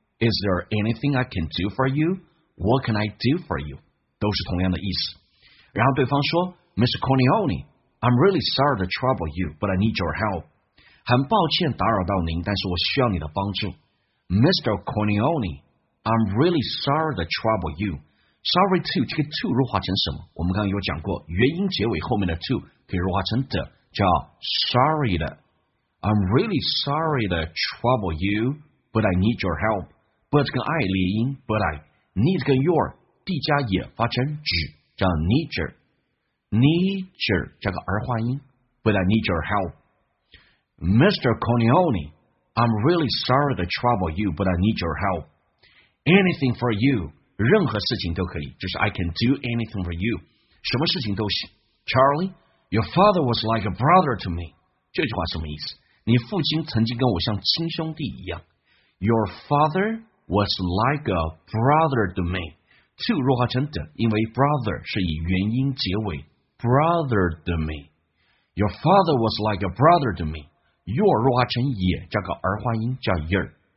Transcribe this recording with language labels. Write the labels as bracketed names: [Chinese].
[English] Is there anything I can do for you? What can I do for you? [Chinese] 都是同样的意思。然后对方说 Mr. [English] Corleone,I'm really sorry to trouble you, but I need your help. [Chinese] 很抱歉打扰到您，但是我需要你的帮助。 [English] Mr. Corleone, I'm really sorry to trouble you. [Chinese] Sorry to, 这个 to 弱化成什么？我们刚刚有讲过，元音结尾后面的 to 可以弱化成的，叫 sorry 的。 [English] I'm really sorry to trouble you, but I need your help. [Chinese] But 跟 I 连音 ，but I need 跟 your 地加也发成 z， 叫 need your。 [English] Need your [Chinese] 加个儿化音 [English] ，but I need your help, Mr. Corleone. I'm really sorry to trouble you, but I need your help. Anything for you? [Chinese] 任何事情都可以，就是 [English] I can do anything for you. [Chinese] 什么事情都行。 [English] Charlie, your father was like a brother to me. [Chinese] 这句话什么意思？你父亲曾经跟我像亲兄弟一样。 [English] Your father was like a brother to me. [Chinese] To 弱化成的，因为 brother 是以元音结尾。 [English] Brother to me. Your father was like a brother to me. [Chinese] Your 弱化成也加个儿化音叫 your.